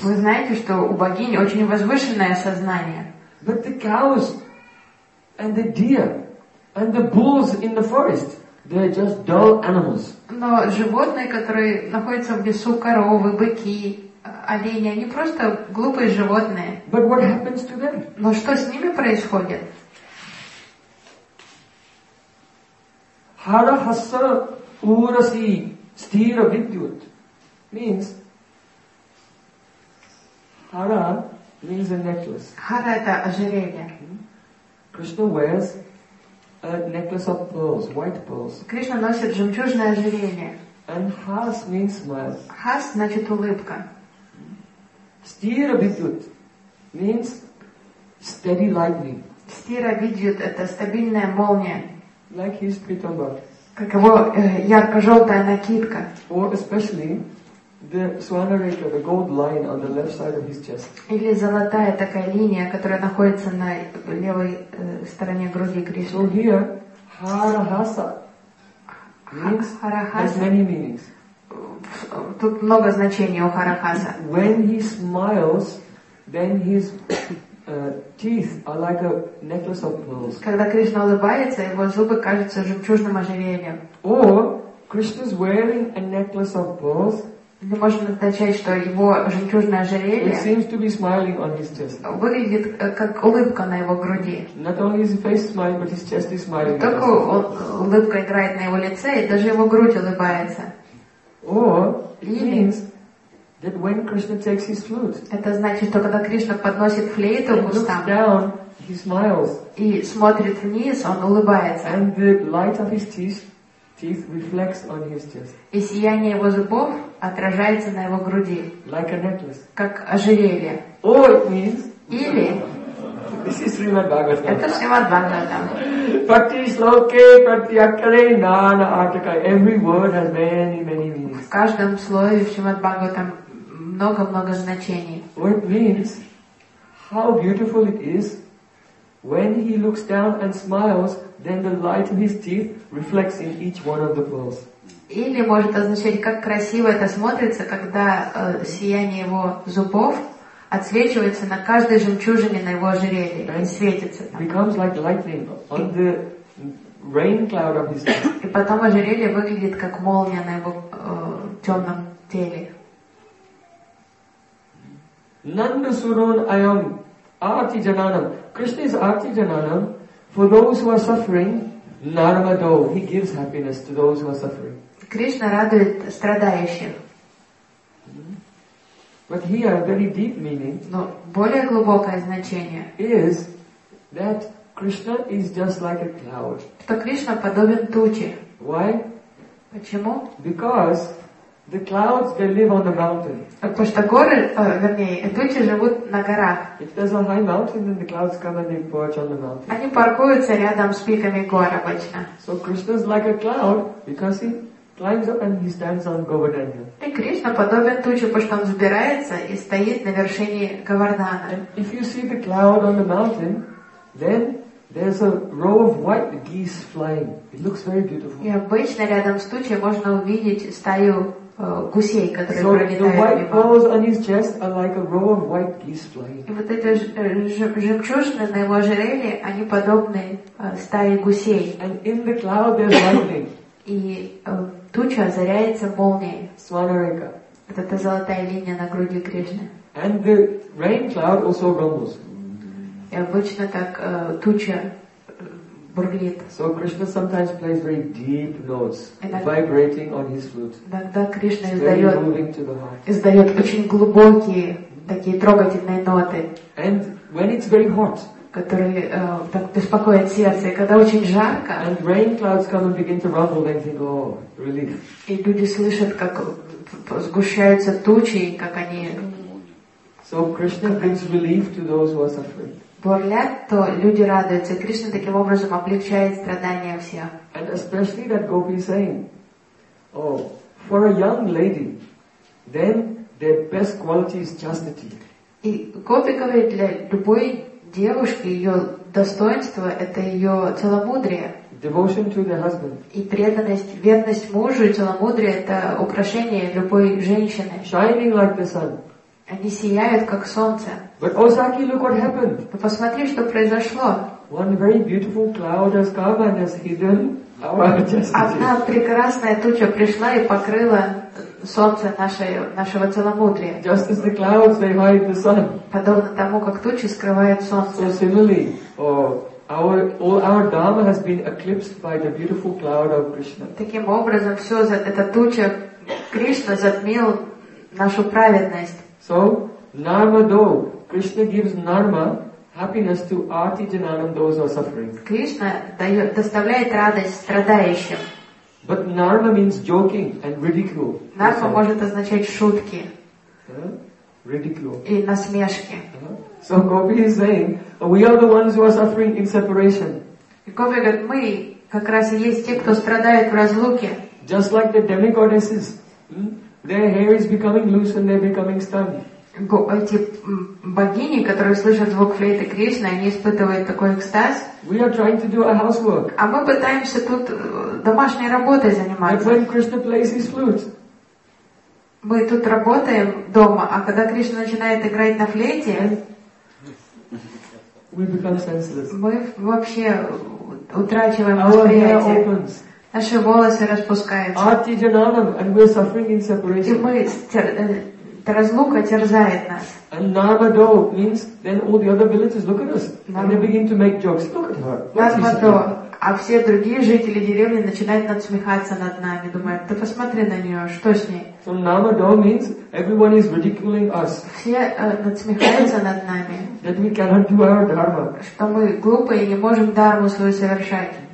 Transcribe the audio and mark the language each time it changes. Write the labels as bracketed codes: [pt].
[ru] Вы знаете, что у богини очень возвышенное сознание. [en] But the cows and the deer and the bulls in the forest, they are just dull animals. [ru] Но животные, которые находятся в лесу, коровы, быки, олени, они просто глупые животные. [en] But what happens to them? [ru] Но что с ними происходит? [sa] Hara hasa urasi sthira vidyut [en] means Hara means a necklace. [ru] Hara – это ожерелье. [en] Krishna wears a necklace of pearls, white pearls. [ru] Кришна носит жемчужное ожерелье. [en] And has means smile. [ru] Has – значит улыбка. [en] Sthira vidyut means steady lightning. [ru] Sthira vidyut – это стабильная молния. [en] Like his pitamba. [ru] Как его ярко-желтая накидка. [en] Or especially the swanareka, the gold line on the left side of his chest. [ru] Или золотая такая линия, которая находится на левой стороне груди Кришны. [en] So here, harahasa means has many meanings. [ru] Тут много значений у harahasa. [en] When he smiles, then his teeth are like a necklace of pearls. [ru] Когда Кришна улыбается, его зубы кажутся жемчужным ожерельем. [en] Or Krishna's wearing a necklace of pearls. [ru] Это может означать, что его жемчужное ожерелье [en] seems to be smiling on his chest. [ru] Выглядит как улыбка на его груди. [en] Not only his face smiling, but his chest is smiling. [ru] Только улыбка играет на его лице, и даже его грудь улыбается. [en] Or it means that when Krishna takes his flute, [ru] это значит, что когда Кришна подносит флейту к устам, [en] down, he smiles. [ru] И смотрит вниз, он улыбается. [en] And the light of his teeth reflects on his chest. [ru] И сияние его зубов отражается на его груди. [en] Like a necklace. [ru] Как ожерелье. [en] Or it means. [ru] Или. [en] This is Srimad Bhagavatam. [ru] Это Srimad Bhagavatam. Pati sloke, pati akale, nana akaka. [en] Every word has many, many meanings. [ru] В каждом слове в Srimad Bhagavatam много-много значений. [en] What means? How beautiful it is when he looks down and smiles, then the light of his teeth reflects in each one of the pearls. [ru] Или может означать, как красиво это смотрится, когда сияние его зубов отсвечивается на каждой жемчужине на его ожерелье и светится. [en] Becomes like lightning on the rain cloud of his teeth. [ru] И потом ожерелье выглядит как молния на его темном теле. Nanda Surun Ayam Arti Jananam. [en] Krishna is Arti Jananam for those who are suffering. Narmado, he gives happiness to those who are suffering. [ru] Кришна радует страдающих. [en] But here, very deep meaning. [ru] Но более глубокое значение. [en] Is that Krishna is just like a cloud. [ru] Что Кришна подобен туче. [en] Why? [ru] Почему? [en] Because the clouds, they live on the mountain. [ru] Потому что горы, вернее, тучи живут на горах. [en] If there's a high mountain, then the clouds come and they perch on the mountain. [ru] Они паркуются рядом с пиками гор обычно. [en] So Krishna's like a cloud because he climbs up and he stands on Govardhana. [ru] И Кришна подобен туче, потому что он взбирается и стоит на вершине Говардхана. [en] If you see the cloud on the mountain, then there's a row of white geese flying. It looks very beautiful. [ru] И обычно рядом с тучей можно увидеть стаю гусей, которые пролетают мимо. [en] So the white pearls on his chest are like a row of white geese flying. [ru] И вот эти жемчужины на его ожерелье, они подобны стае гусей. [en] And in the cloud there's lightning. [ru] И туча озаряется молнией. [en] Swanareka. [ru] Вот эта золотая линия на груди Кришны. [en] And the rain cloud also rumbles. [ru] И обычно так туча бурлит. [en] So Krishna sometimes plays very deep notes, vibrating on his flute. [ru] Иногда Кришна издает очень глубокие такие трогательные ноты. [en] And when it's very hot, [ru] которые так беспокоят сердце, и когда очень жарко. [en] And rain clouds come and begin to rumble, they think, oh, relief. [ru] И люди слышат, как сгущаются тучи, и как они. [en] So Krishna brings relief to those who are suffering. [ru] Бурлят, то люди радуются. Кришна таким образом облегчает страдания всех. [en] And especially that gopi is saying, oh, for a young lady, then their best quality is chastity. [ru] И гопи говорит, для любой девушки, ее достоинство — это ее целомудрие. [en] Devotion to the husband. [ru] И преданность, верность мужу и целомудрие — это украшение любой женщины. [en] Shining like the sun. [ru] Они сияют, как солнце. [en] But Ozaki, look what happened. [ru] Но посмотри, что произошло. [en] One very beautiful cloud has come and has hidden our justice. [ru] Одна прекрасная туча пришла и покрыла солнце нашего целомудрия. [en] Just as the clouds, they hide the sun. [ru] Подобно тому, как тучи скрывают солнце. [en] So similarly, all our dharma has been eclipsed by the beautiful cloud of Krishna. [ru] Таким образом, все эта туча Кришна затмил нашу праведность. [en] So Narmado, Krishna gives Narma happiness to Arti Jananam, those who are suffering. [ru] Krishna доставляет радость страдающим. [en] But Narma means joking and ridicule. [ru] Нарма может означать шутки. [en] Ridicule. [ru] И насмешки. [en] So Gopi is saying, we are the ones who are suffering in separation. [ru] Gopi говорит, мы как раз и есть те, кто страдает в разлуке. [en] Just like the demigoddesses, their hair is becoming loose and they're becoming stubby. [ru] Эти богини, которые слышат звук флейты Кришны, они испытывают такой экстаз. [en] We are trying to do our housework. [ru] А мы пытаемся тут домашней работой заниматься. [en] But when Krishna plays his flute, [ru] мы тут работаем дома, а когда Кришна начинает играть на флейте, [en] we become senseless. [ru] Мы вообще утрачиваем восприятие. Наши волосы распускаются. [en] Arti Jananam, and we are suffering in separation. [ru] И мы разлука терзает нас. [en] And Narmado means then all the other villagers look at us and they begin to make jokes. Look at her. Narmado. [ru] А все другие жители деревни начинают надсмехаться над нами, думают, ты посмотри на нее, что с ней. So Narmado means everyone is ridiculing us. Все надсмехаются над нами. That we cannot do our dharma. Что мы глупые и не можем дарму свою совершать.